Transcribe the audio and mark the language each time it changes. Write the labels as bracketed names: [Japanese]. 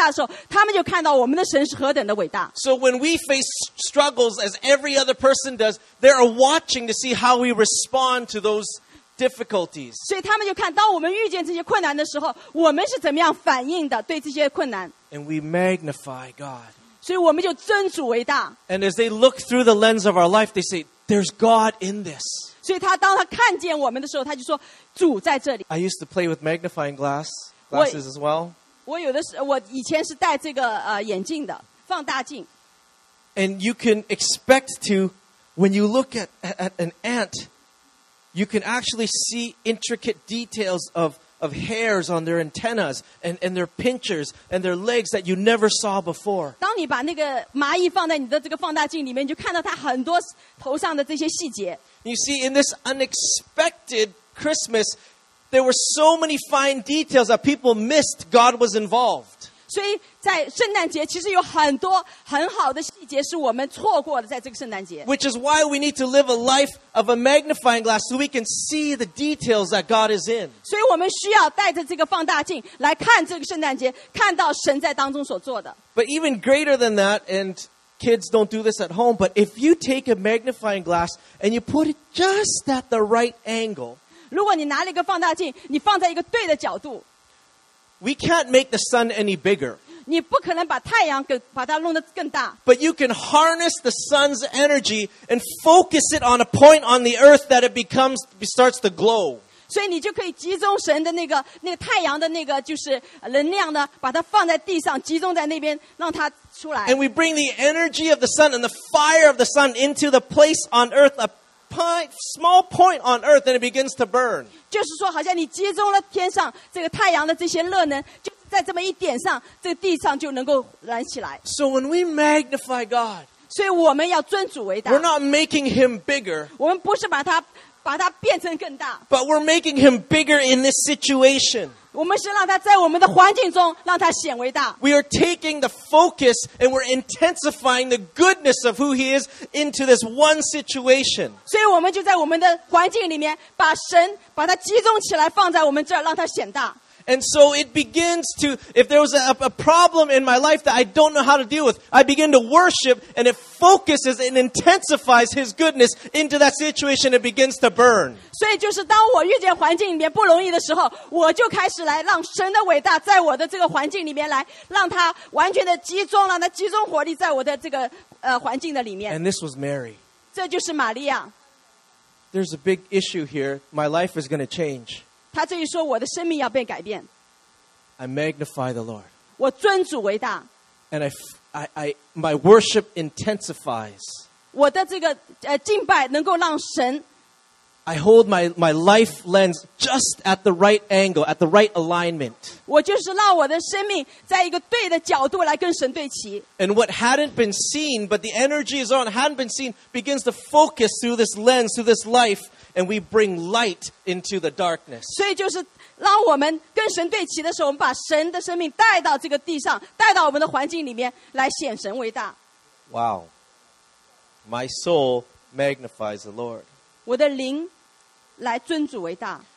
[Chinese] 所以他看到在我们身上，因为我们显神伟大的时候，他们就看到我们的神是何等的伟大。 [English] So when we face struggles as every other person does, they are watching to see how we respond to those difficulties. [Chinese] 所以他们就看，当我们遇见这些困难的时候，我们是怎么样反应的，对这些困难。 [English] And we magnify God. [Chinese] 所以我们就尊主为大。 [English] And as they look through the lens of our life, they say, there's God in this. [Chinese] 所以当他看见我们的时候，他就说，主在这里。 [English] I used to play with magnifying glasses as well. [Chinese] 我以前是戴这个眼镜的，放大镜。 [English] And you can expect to, when you look at an ant, you can actually see intricate details of hairs on their antennas and their pinchers and their legs that you never saw before. [Chinese] 当你把那个蚂蚁放在你的这个放大镜里面，你就看到它很多头上的这些细节。 [English] You see, in this unexpected Christmas, there were so many fine details that people missed God was involved. [Chinese] 所以在圣诞节其实有很多很好的细节是我们错过的在这个圣诞节 [English] Which is why we need to live a life of a magnifying glass so we can see the details that God is in [Chinese] 所以我们需要带着这个放大镜来看这个圣诞节看到神在当中所做的 [English] But even greater than that andKids don't do this at home, but if you take a magnifying glass and you put it just at the right angle, [Chinese] 如果你拿了一个放大镜，你放在一个对的角度， [English] we can't make the sun any bigger. [Chinese] 你不可能把太阳给把它弄得更大。 [English] But you can harness the sun's energy and focus it on a point on the earth that it becomes, starts to glow. [Chinese] 所以你就可以集中神的那个太阳的那个就是能量呢，把它放在地上，集中在那边，让它。 [English] And we bring the energy of the sun and the fire of the sun into the place on earth, a small point on earth, and it begins to burn. [Chinese] 就是说，好像你集中了天上这个太阳的这些热能，就在这么一点上，这个地上就能够燃起来。 [English] So when we magnify God, [Chinese] 所以我们要尊主为大。 [English] We're not making Him bigger. [Chinese] 我们不是把它变成更大。 [English] But we're making Him bigger in this situation. [Chinese] 我们是让它在我们的环境中让它显为大。 [English] We are taking the focus and we're intensifying the goodness of who He is into this one situation. [Chinese] 所以我们就在我们的环境里面把神把它集中起来放在我们这儿让它显大。 [English] And so it begins to, if there was a problem in my life that I don't know how to deal with, I begin to worship and it focuses and intensifies His goodness into that situation. It begins to burn. [Chinese] 所以就是当我遇见环境里面不容易的时候，我就开始来让神的伟大在我的这个环境里面来，让它完全的集中，让它集中火力在我的这个环境的里面。 [English] And this was Mary. [Chinese] 这就是玛利亚。 [English] There's a big issue here. My life is going to change. [Chinese] 他这一说，我的生命要被改变。 [English] I magnify the Lord. [Chinese] 我尊主为大。 [English] And I my worship intensifies. [Chinese] 我的这个敬拜能够让神。 [English] I hold my life lens just at the right angle, at the right alignment. [Chinese] 我就是让我的生命在一个对的角度来跟神对齐。 [English] And what hadn't been seen, but the energy is on, hadn't been seen, begins to focus through this lens, through this life. And we bring light into the darkness. [Chinese] 所以就是让我们跟神对齐的时候，我们把神的生命带到这个地上，带到我们的环境里面来显神为大。 [English] Wow, my soul magnifies the Lord. [Chinese] 我的灵来尊主为大。